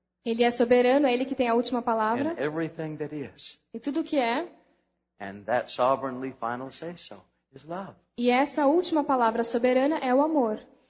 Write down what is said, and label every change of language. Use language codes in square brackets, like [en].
[pt] Ele é soberano, é ele que tem a última palavra. [en] In everything that is. [pt] E tudo que é. [en] And that sovereignly final say so is love. [pt] E essa última palavra soberana é o amor.